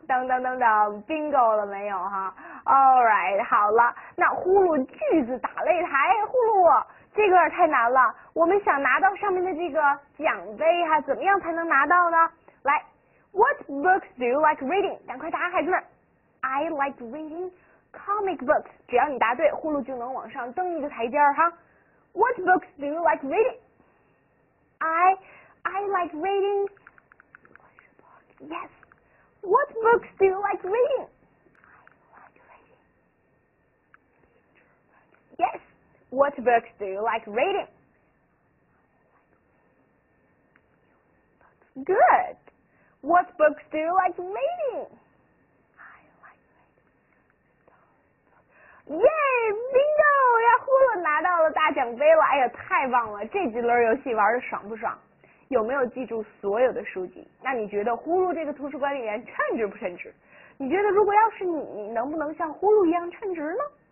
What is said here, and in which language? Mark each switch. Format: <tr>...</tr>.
<zh>噔噔噔噔 ，bingo 了没有哈 ？</zh> <en>Alright，</en> <zh>好了，那呼噜句子打擂台，呼噜，这个太难了，我们想拿到上面的这个奖杯哈，怎么样才能拿到呢？</zh> <en>来 ，What books do you like reading？</en> <zh>赶快答，孩子们</zh> <en>，I like reading comic books。</en> <zh>只要你答对，呼噜就能往上登一个台阶哈。</zh> <en>What books do you like reading? I like reading. Yes. What books do you like reading? Yes. What books do you like reading? Good. What books do you like reading?</en> <zh>耶、，bingo 呀，呼噜拿到了大奖杯了，哎呀，太棒了！这几轮游戏玩的爽不爽？有没有记住所有的书籍？那你觉得呼噜这个图书管理员称职不称职？你觉得如果要是你，能不能像呼噜一样称职呢？</zh>